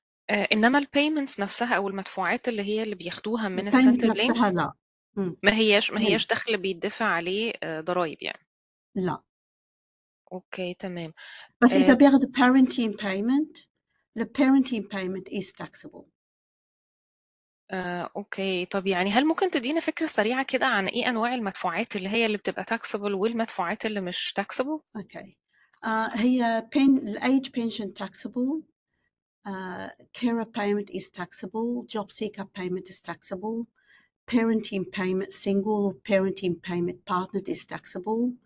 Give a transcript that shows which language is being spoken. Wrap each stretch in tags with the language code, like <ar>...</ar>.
<ar>إنما البيمنتس نفسها أو المدفوعات اللي هي اللي بياخدوها من السنتر لينك، لا ما هيش دخل بيدفع عليه ضرائب يعني. لا. أوكي تمام. بس إذا بياخد</ar> <en>parenting payment، the parenting payment is taxable.</en> <ar>أوكي. طب يعني هل ممكن تدينا فكرة سريعة كده عن إيه أنواع المدفوعات اللي هي اللي بتبقى taxable والمدفوعات اللي مش taxable؟ أوكي.</ar> <en>هي age pension taxable. Carer payment is taxable. Job seeker payment is taxable. Parenting payment, single parenting payment, partnered is taxable.</en>